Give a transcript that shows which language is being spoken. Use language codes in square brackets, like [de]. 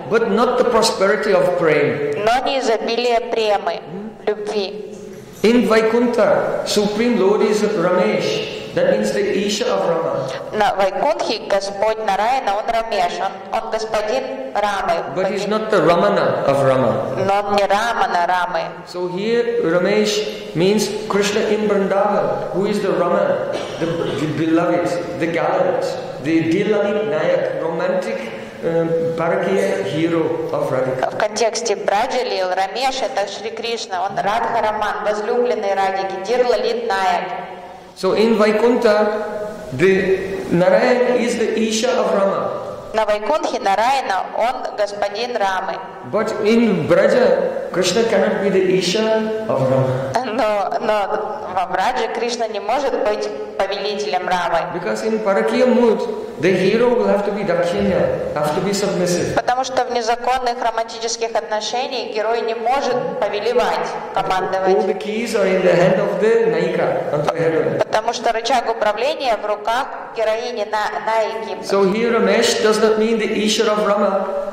[en] But not the prosperity of prem. [ru] Но не изобилие премы, любви. [en] In Vaikuntha, Supreme Lord is Ramesh. That means the Isha of Rama. [ru] На Вайкунтхе Господь Нараяна, он Рамеш, он господин Рамы. [en] But he's not the Ramana of Rama. [ru] Но он не Рамана Рамы. [en] So here Ramesh means Krishna in Vrindavan, who is the Rama, the beloved, the gallant, the Dilalit Nayak, romantic Parakya hero of Radhika. [ru] В контексте Браджалил Рамеш это Шри Кришна, он Радха Раман, возлюбленный Радхики, Дирлалит Наяк. [en] So in Vaikuntha, the Narayana is the Isha of Rama. [ru] На Вайкунтхе Нараяна он господин Рамы. [en] But in Braja, Krishna cannot be the Isha of Rama. [ru] Но во Браджа Кришна не может быть повелителем Рамы. [en] Because in Parakya mood, the hero will have to be Dakshinya, have to be submissive. [ru] Потому что в незаконных романтических отношениях герой не может повелевать, командовать. [en] All the keys are in the hand of the Naika, of the heroine. [ru] Потому что рычаг управления в руках героини Наики. [en] So here Ramesh does not mean the Isha of Rama.